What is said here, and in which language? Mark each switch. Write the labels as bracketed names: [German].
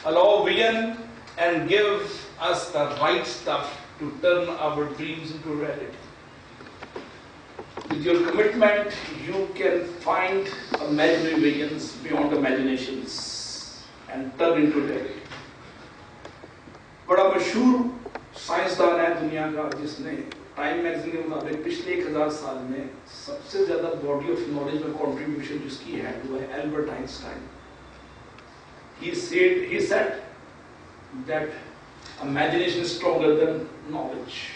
[English] Allow vision and give us the right stuff to turn our dreams into reality. With your commitment, you can find imaginary visions beyond imaginations and turn into reality. [Hindi] बड़ा मशहूर साइंसदान है दुनिया का, जिसने time magazine के मुताबिक पिछले 1000 साल में सबसे ज्यादा [English] body of knowledge [Hindi] में कॉन्ट्रीब्यूशन जिसकी है वो है Albert Einstein. [English] He said that imagination is stronger than knowledge.